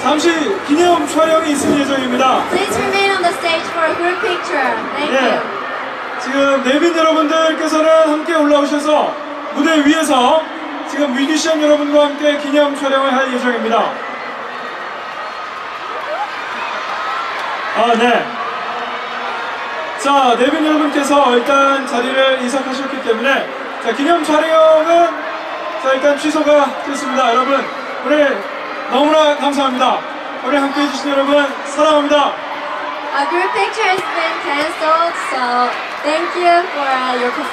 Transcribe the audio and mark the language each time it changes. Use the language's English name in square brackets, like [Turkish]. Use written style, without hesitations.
[Korean] 잠시 기념 촬영이 있을 예정입니다. [English] Please remain on the stage for a group picture. Thank you. [Korean] 지금 내빈 여러분들께서는 함께 올라오셔서 무대 위에서 지금 뮤지션 여러분과 함께 기념 촬영을 할 예정입니다. 아, 네. 자, 내빈 여러분께서 일단 자리를 이석하셨기 때문에 자, 기념 촬영은 자, 일단 취소가 됐습니다. 여러분, 오늘 너무나 감사합니다. 오늘 함께 해주신 여러분, 사랑합니다. [English] A group picture has been cancelled, so thank you for your performance.